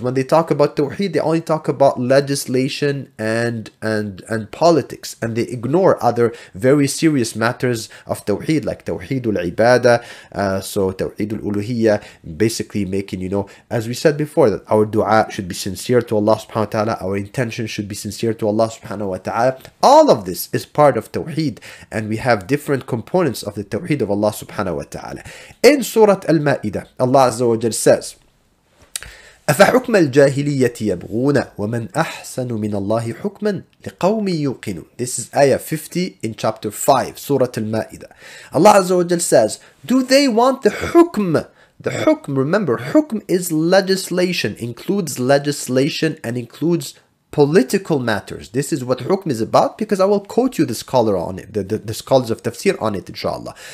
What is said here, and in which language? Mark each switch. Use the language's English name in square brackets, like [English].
[English] When they talk about tawheed, they only talk about legislation and politics, and they ignore other very serious matters of tawheed, like tawheedul ibadah, so tawheedul uluhiyya, basically making, you know, as we said before, that our dua should be sincere to Allah subhanahu wa ta'ala, our intention should be sincere to Allah subhanahu wa ta'ala. All of this is part of tawheed, and we have different components of the tawheed of Allah subhanahu wa ta'ala. In Surah Al-Ma'idah, Allah Azza wa Jal says, [Arabic] أفحكم الجاهلية يبغون ومن أحسن من الله حكما لقوم يوقنون. [English] This is ayah 50 in chapter 5, Surah Al-Ma'idah. Allah Azza wa Jal says, do they want the hukm? The hukm, remember, hukm is legislation, includes legislation and includes political matters. This is what hukm is about, because I will quote you the scholar on it, the scholars of tafsir on it, inshallah.